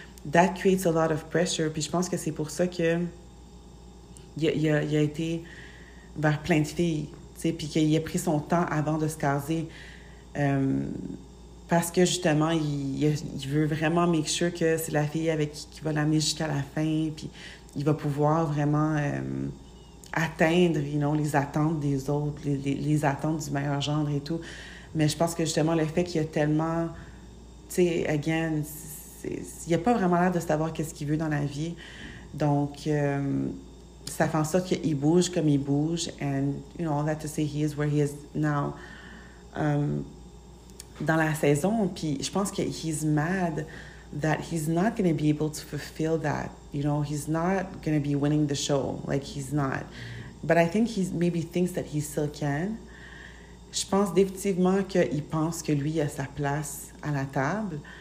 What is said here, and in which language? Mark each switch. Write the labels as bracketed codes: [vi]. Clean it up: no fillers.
[en] That creates a lot of pressure. [fr] Puis je pense que c'est pour ça que il a été vers plein de filles, tu sais, puis qu'il a pris son temps avant de se caser, parce que justement il veut vraiment make sure que c'est la fille avec qui va l'amener jusqu'à la fin, puis il va pouvoir vraiment atteindre, you know, les attentes des autres, les attentes du meilleur gendre et tout. Mais je pense que justement le fait qu'il y a tellement, tu sais, again, il n'a pas vraiment l'air de savoir qu'est-ce qu'il veut dans la vie. Donc, ça fait en sorte qu'il bouge comme il bouge. [en] And, you know, all that to say he is where he is now. [fr] Dans la saison, puis je pense que [en] he's mad that he's not going to be able to fulfill that. You know, he's not going to be winning the show. Like, he's not. But I think he maybe thinks that he still can. [fr] Je pense définitivement qu'il pense que lui a sa place à la table.